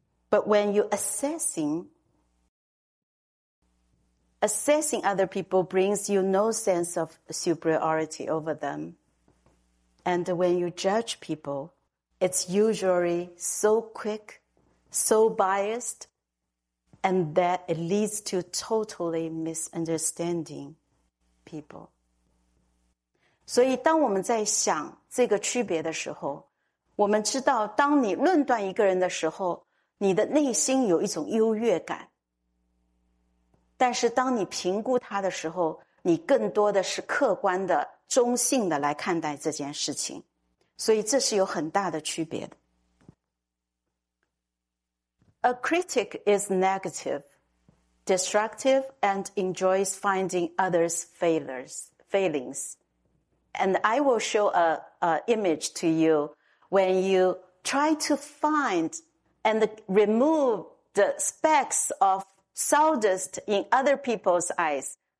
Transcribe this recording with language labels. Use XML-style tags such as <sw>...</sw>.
<en>But when you're assessing other people brings you no sense of superiority over them. And when you judge people, it's usually so quick, so biased, and that it leads to totally misunderstanding people.</en> <zh>所以当我们在想这个区别的时候，我们知道当你论断一个人的时候，你的内心有一种优越感。但是当你评估他的时候，你更多的是客观的、中性的来看待这件事情，所以这是有很大的区别的。</zh> <en>A critic is negative, destructive, and enjoys finding others' failings. And I will show an image to you when you try to find and remove the specks ofSawdust in other people's eyes.</en>